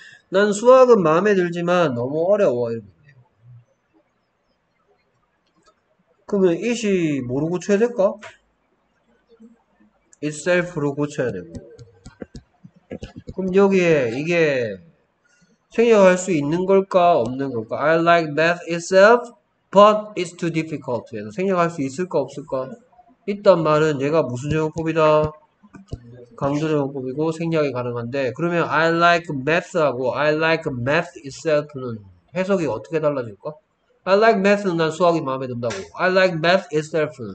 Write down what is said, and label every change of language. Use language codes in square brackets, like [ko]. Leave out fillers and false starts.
[ko] 난 수학은 마음에 들지만 너무 어려워. 그러면 it이 뭐로 고쳐야 될까? itself로 고쳐야 되고. 그럼 여기에 이게 생략할 수 있는 걸까 없는 걸까? [en] I like math itself, but it's too difficult. [ko] 그래서 생략할 수 있을까 없을까? 있단 말은 얘가 무슨 제곱법이다? 강조 제곱법이고 생략이 가능한데. 그러면 [en] I like math하고 I like math itself [ko] 는 해석이 어떻게 달라질까? [en] I like math는 [ko] 난 수학이 마음에 든다고. [en] I like math itself.